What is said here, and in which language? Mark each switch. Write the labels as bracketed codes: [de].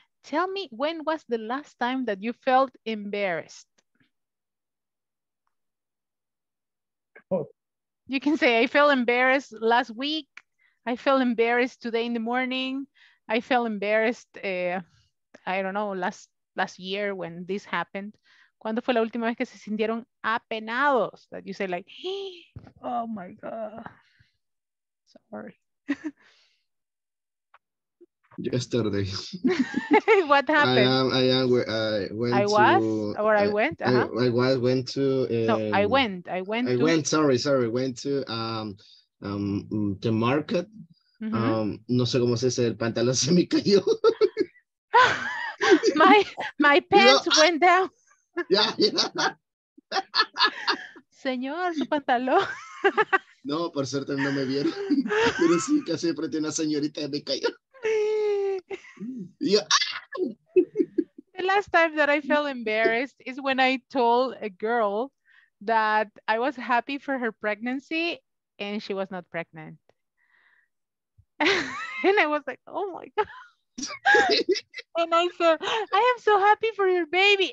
[en] Tell me, when was the last time that you felt embarrassed? You can say, I felt embarrassed last week. I felt embarrassed today in the morning. I felt embarrassed, I don't know, last year when this happened. [es] ¿Cuándo fue la última vez que se sintieron apenados? [en] That you say like, oh my God, sorry. Yesterday. What happened? I went to the market. Mm-hmm. [es] No sé cómo se dice, el pantalón se me cayó. [en] my pants, you know, went down. Yeah, yeah. [es] Señor, su pantalón. No, por suerte no me vieron. Pero sí, casi de frente una señorita me cayó. Yeah. [en] The last time that I felt embarrassed is when I told a girl that I was happy for her pregnancy and she was not pregnant. And I was like, oh my God. And I said, I am so happy for your baby.